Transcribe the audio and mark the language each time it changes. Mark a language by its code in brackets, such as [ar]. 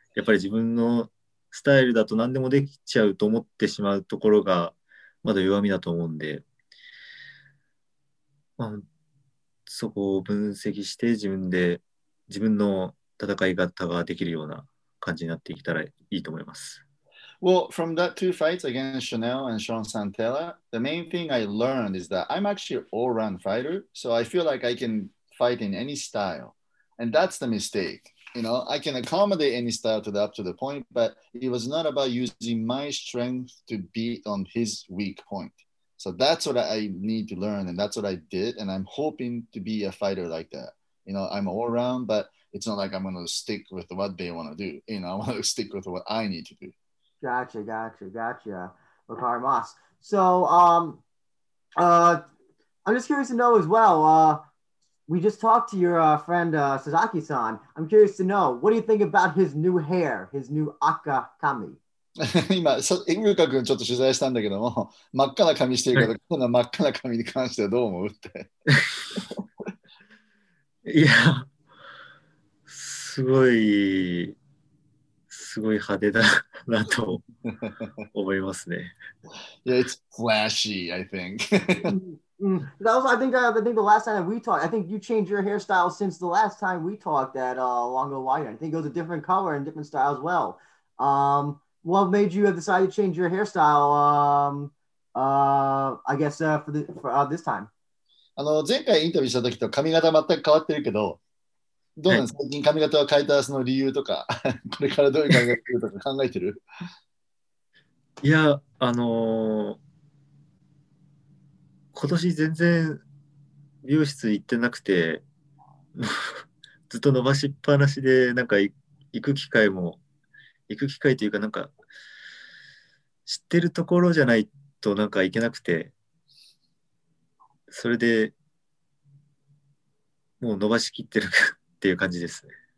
[ja] やっぱり自分のスタイルだと何でもできちゃうと思ってしまうところがまだ弱みだと思うんで、まあ、そこを分析して自分の戦い方ができるような感じになっていけたらいいと思います。 [en] Well, from that 2 fights against Chanel and Sean Santella, the main thing I learned is that I'm actually an all-round fighter, so I feel like I can fight in any style. And that's the mistake. you know, I can accommodate any style to the up to the point, but it was not about using my strength to beat on his weak point. So that's what I need to learn, and that's what I did, and I'm hoping to be a fighter like that. You know, I'm all around, but it's not like I'm going to stick with what they want to do. You know, I want to stick with what I need to do. Gotcha. Bakari Moss. So I'm just curious to know as well. We just talked to your friend Sasaki-san. I'm curious to know, what do you think about his new hair, his new [ja] aka kami? 今、ゆうかくんちょっと取材したんだけども、真っ赤な髪してるから、この真っ赤な髪に関してはどう思うって。いや、すごい派手だなと思いますね。 [en] Yeah, it's flashy, I think. That was, I think the last time that we talked, I think you changed your hairstyle since the last time we talked at Longo Wire. I think it was a different color and different style as well. What made you decide to change your hairstyle, I guess, for this time? [ja] 前回インタビューした時と髪型全く変わってるけど、どうなんですか、最近髪型を変えたその理由とか、これからどういう考えするとか考えてる？いや、今年全然美容室行ってなくて、ずっと伸ばしっぱなしで、なんか行く機会というか、なんか、知ってるところじゃないとなんか行けなくて、それでもう伸ばしきってるっていう感じですね。